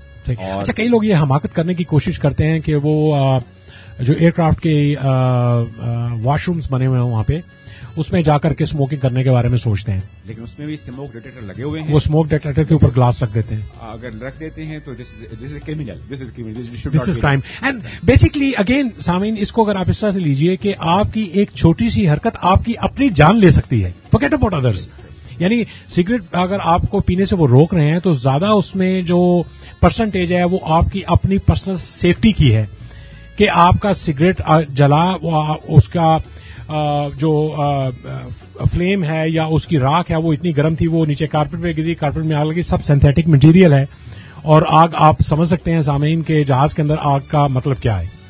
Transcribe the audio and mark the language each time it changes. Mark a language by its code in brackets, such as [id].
[ur] اچھا, کئی لوگ یہ حماقت کرنے کی کوشش کرتے ہیں کہ وہ جو ایئر کرافٹ کے واش رومز بنے ہوئے ہیں وہاں پہ اس میں جا کر کے سموکنگ کرنے کے بارے میں سوچتے ہیں, لیکن اس میں بھی سموک ڈیٹیکٹر لگے ہوئے ہیں. وہ سموک ڈیٹیکٹر کے اوپر گلاس رکھ دیتے ہیں. اگر رکھ دیتے ہیں تو [en] This is criminal. This is crime. [ur] And basically again سامعین, اس کو اگر آپ اس طرح سے لیجئے کہ آپ کی ایک چھوٹی سی حرکت آپ کی اپنی جان لے سکتی ہے. [en] Forget about others. [ur] یعنی سگریٹ اگر آپ کو پینے سے وہ روک رہے ہیں تو زیادہ اس میں جو پرسنٹیج ہے وہ آپ کی اپنی پرسنل سیفٹی کی ہے کہ آپ کا سگریٹ جلا, اس کا جو فلیم ہے یا اس کی راکھ ہے وہ اتنی گرم تھی, وہ نیچے کارپٹ پہ گزی, کارپٹ میں آگ لگی, سب سنتھیٹک مٹیریل ہے اور آگ, آپ سمجھ سکتے ہیں سامعین کے جہاز کے اندر آگ کا مطلب کیا ہے.